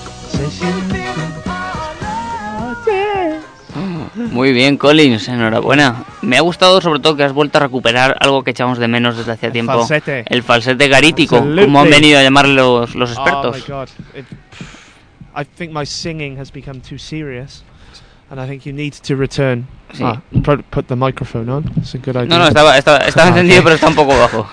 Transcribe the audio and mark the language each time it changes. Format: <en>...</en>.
<es>Se siente en todas partes. Muy bien, Collins, enhorabuena. Me ha gustado sobre todo que has vuelto a recuperar algo que echamos de menos desde hacía tiempo. Falsete. El falsete garítico, como han venido a llamar los expertos.</es> <en>Oh my God. I think my singing has become too serious, and I think you need to return.</en> <es>Sí.</es> <en>Ah, put the microphone on. It's a good idea.</en> <es>No, estaba encendido, okay. Pero está un poco bajo.</es>